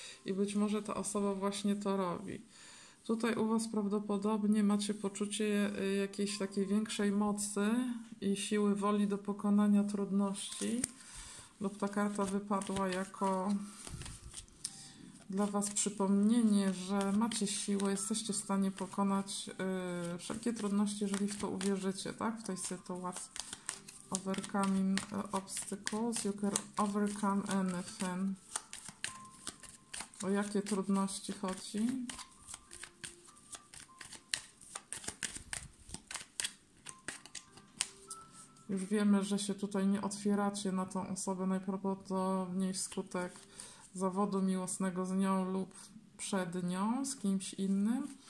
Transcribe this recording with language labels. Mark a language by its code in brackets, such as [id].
[pl] I być może ta osoba właśnie to robi. Tutaj u Was prawdopodobnie macie poczucie jakiejś takiej większej mocy i siły woli do pokonania trudności, lub ta karta wypadła jako dla Was przypomnienie, że macie siłę, jesteście w stanie pokonać wszelkie trudności, jeżeli w to uwierzycie, tak? W tej sytuacji. [en] Overcoming obstacles, you can overcome anything. [pl] O jakie trudności chodzi? Już wiemy, że się tutaj nie otwieracie na tą osobę, najprawdopodobniej wskutek zawodu miłosnego z nią lub przed nią, z kimś innym.